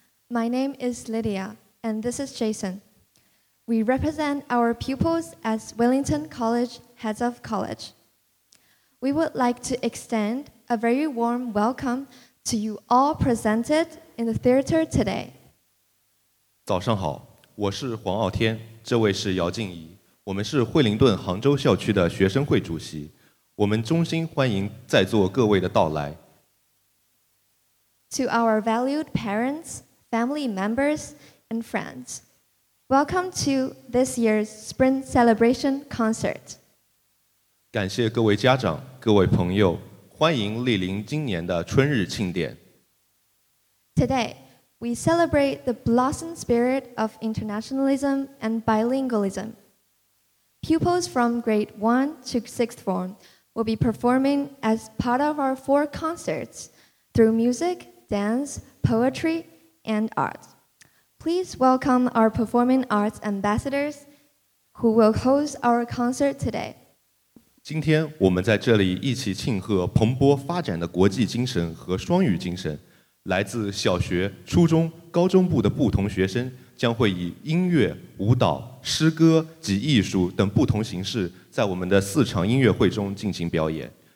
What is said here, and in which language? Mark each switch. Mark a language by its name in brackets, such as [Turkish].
[English] My name is Lydia, and this is Jason. We represent our pupils as Wellington College Heads of College. We would like to extend a very warm welcome to you all presented in the theater today. [Chinese] 早上好，我是黄傲天，这位是姚静怡，我们是惠灵顿杭州校区的学生会主席，我们衷心欢迎在座各位的到来。 [English] To our valued parents, family members, and friends, welcome to this year's Spring Celebration Concert. [Chinese] 感谢各位家长，各位朋友，欢迎莅临今年的春日庆典。 [English] Today, we celebrate the blossom spirit of internationalism and bilingualism. Pupils from grade 1 to 6th form will be performing as part of our 4 concerts through music,dance, poetry, and art. Please welcome our performing arts ambassadors who will host our concert today. [Chinese] 今天我们在这里一起庆贺蓬勃发展的国际精神和双语精神。来自小学、初中、高中部的不同学生将会以音乐、舞蹈、诗歌及艺术等不同形式在我们的四场音乐会中进行表演。